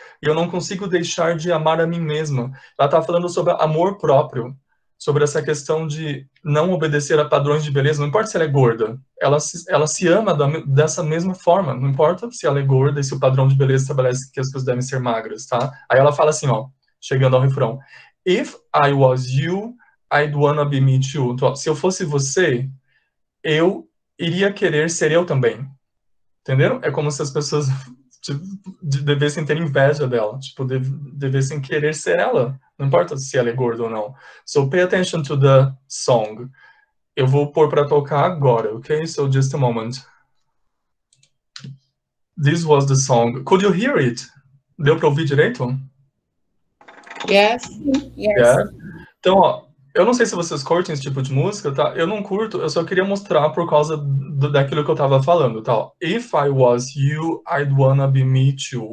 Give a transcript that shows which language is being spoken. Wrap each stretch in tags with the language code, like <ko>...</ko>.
<pt>E eu não consigo deixar de amar a mim mesma. Ela tá falando sobre amor próprio, sobre essa questão de não obedecer a padrões de beleza, não importa se ela é gorda. Ela se ama dessa mesma forma, não importa se ela é gorda e se o padrão de beleza estabelece que as pessoas devem ser magras, tá? Aí ela fala assim, ó, chegando ao refrão.</pt> <en>If I was you, I'd wanna be me too.</en> <pt>Então, ó, se eu fosse você, eu iria querer ser eu também. Entenderam? É como se as pessoas devessem ter inveja dela. Tipo, devessem querer ser ela. Não importa se ela é gorda ou não.</pt> <en>So pay attention to the song.</en> <pt>Eu vou pôr pra tocar agora,</pt> <en>ok? So just a moment. This was the song. Could you hear it?</en> <pt>Deu pra ouvir direito?</pt> <en>Yes. Yeah.</en> <pt>Então, ó, Eu não sei se vocês curtem esse tipo de música, tá? Eu não curto, eu só queria mostrar por causa daquilo que eu tava falando, tá?</pt> <en>If I was you, I'd wanna be me too.</en>